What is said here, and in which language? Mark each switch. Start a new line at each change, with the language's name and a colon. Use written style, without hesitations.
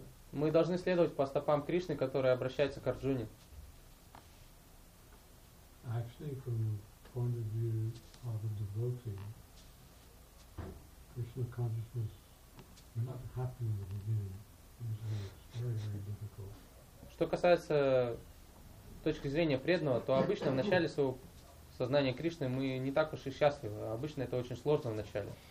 Russian: Мы должны следовать по стопам Кришны, который обращается к Арджуне.
English: Actually, from the point of view of a devotee, Krishna consciousness may not happen in the beginning. It's very, very difficult.
Russian: Что касается точки зрения преданного, то обычно в начале своего сознания Кришны мы не так уж и счастливы. Обычно это очень сложно в начале.